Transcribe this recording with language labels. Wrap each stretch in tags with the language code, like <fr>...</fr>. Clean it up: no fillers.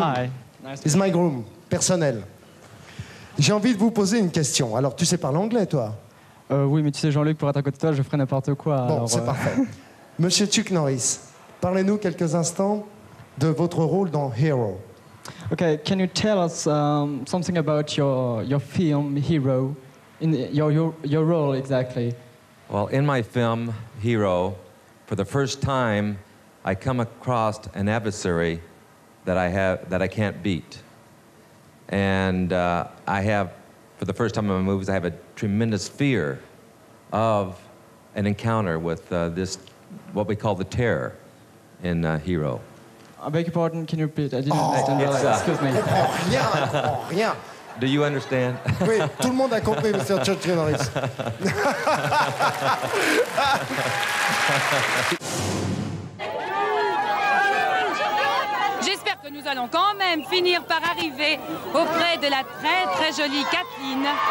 <en>Hi. Nice to meet you. It's my groom,</en> <fr>personnel. J'ai envie de vous poser une question. Alors, tu sais parler anglais, toi ? Oui, mais tu sais, Jean-Luc, pour être à côté de toi, je ferai n'importe quoi. Bon, alors, c'est parfait. Monsieur Chuck Norris, parlez-nous quelques instants de votre rôle dans Hero.</fr> <en>Okay, can you tell us something about your film Hero, in your role exactly? Well, in my film Hero, for the first time, I come across an adversary that I can't beat, and I have, for the first time in my movies, I have a tremendous fear of an encounter with this, what we call the terror, in Hero. I beg your pardon, can you repeat? I didn't understand. Oh, excuse me.</en> <fr>Rien.</fr> <en>Do you understand?</en> <fr>Oui, tout le monde a compris, Monsieur Chuck Norris. J'espère que nous allons quand même finir par arriver auprès de la très très jolie Kathleen.</fr>